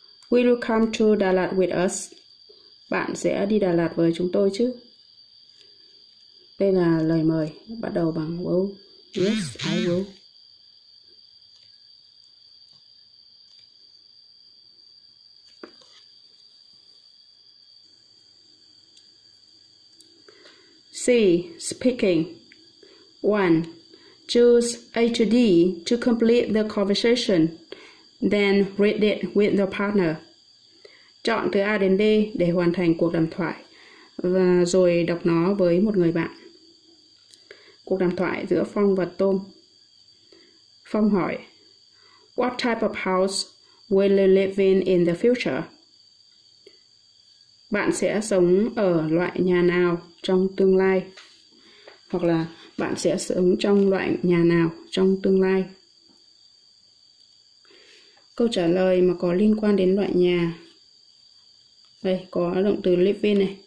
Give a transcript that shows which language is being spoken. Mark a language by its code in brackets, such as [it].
[en] Will you come to Đà Lạt with us? [vi] Bạn sẽ đi Đà Lạt với chúng tôi chứ? Đây là lời mời, bắt đầu bằng will. [en] Yes, I will. 6. Speaking. 1. Choose A to D to complete the conversation, then read it with your partner. [vi] Chọn từ A đến D để hoàn thành cuộc đàm thoại, và rồi đọc nó với một người bạn. Cuộc đàm thoại giữa Phong và Tom. Phong hỏi, [en] what type of house will you live in the future? [vi] Bạn sẽ sống ở loại nhà nào trong tương lai? Hoặc là bạn sẽ sống trong loại nhà nào trong tương lai? Câu trả lời mà có liên quan đến loại nhà. Đây, có động từ live in này.